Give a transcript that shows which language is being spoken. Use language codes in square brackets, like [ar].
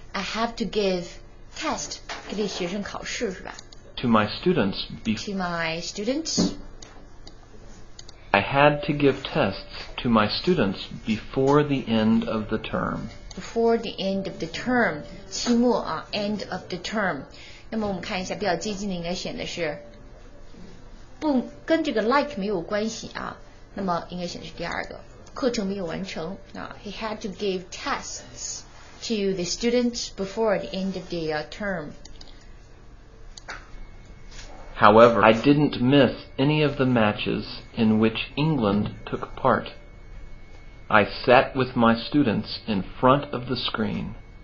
[en] I have to give test [zh] 给这学生考试是吧 [en] ？To my students. To my students. I had to give tests to my students before the end of the term. Before the end of the term, [zh] 期末啊 [en] ，end of the term. [zh] 那么我们看一下，比较接近的应该选的是不跟这个 like 没有关系啊。那么应该选的是第二个，课程没有完成啊。 [en] He had to give tests.To the students before the end of the term. However, I didn't miss any of the matches in which England took part. I sat with my students in front of the screen.